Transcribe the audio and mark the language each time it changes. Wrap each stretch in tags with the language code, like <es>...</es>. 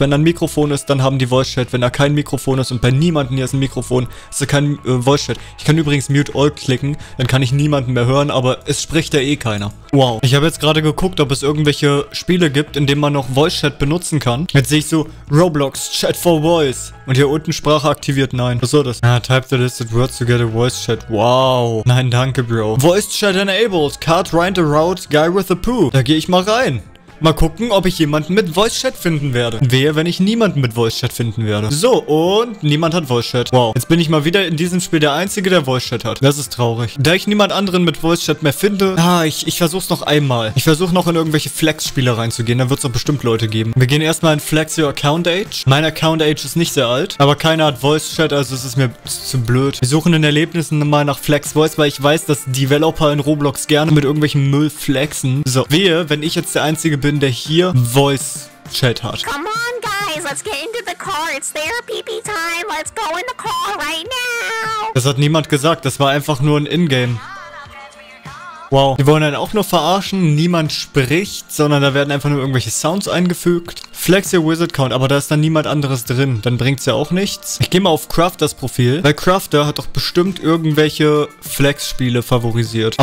<de>Wenn da ein Mikrofon ist, dann haben die Voice Chat. Wenn da kein Mikrofon ist und bei niemandem hier ist ein Mikrofon, ist da kein Voice Chat. Ich kann übrigens Mute All klicken, dann kann ich niemanden mehr hören, aber es spricht ja eh keiner. Wow. Ich habe jetzt gerade geguckt, ob es irgendwelche Spiele gibt, in denen man noch Voice Chat benutzen kann. Jetzt sehe ich so Roblox Chat for Voice und hier unten Sprache aktiviert. Nein. Was soll das?</de> <en>Ah, type the listed words together. The Voice Chat. Wow.</en> <de>Nein, danke,</de> <en>Bro. Voice Chat enabled. Card Ryan the Route Guy with a Poo.</en> <de>Da gehe ich mal rein. Mal gucken, ob ich jemanden mit Voice Chat finden werde. Wehe, wenn ich niemanden mit Voice Chat finden werde. So, und niemand hat Voice Chat. Wow. Jetzt bin ich mal wieder in diesem Spiel der Einzige, der Voice Chat hat. Das ist traurig. Da ich niemand anderen mit Voice Chat mehr finde, ich versuch's noch einmal. Ich versuche noch in irgendwelche Flex-Spiele reinzugehen. Da wird's doch bestimmt Leute geben. Wir gehen erstmal in Flex Your Account Age. Mein Account Age ist nicht sehr alt. Aber keiner hat Voice Chat, also es ist mir zu blöd. Wir suchen in Erlebnissen mal nach Flex Voice, weil ich weiß, dass Developer in Roblox gerne mit irgendwelchen Müll flexen. So, wehe, wenn ich jetzt der Einzige bin, der hier Voice Chat hat.</de> <en>Come on, guys, let's get into the car. It's therapy time. Let's go in the car right now.</en> <de>Das hat niemand gesagt. Das war einfach nur ein Ingame. Wow. Die wollen einen auch nur verarschen. Niemand spricht, sondern da werden einfach nur irgendwelche Sounds eingefügt. Flex your Wizard Count, aber da ist dann niemand anderes drin. Dann bringt's ja auch nichts. Ich gehe mal auf Crafters Profil, weil Crafter hat doch bestimmt irgendwelche Flex-Spiele favorisiert.</de>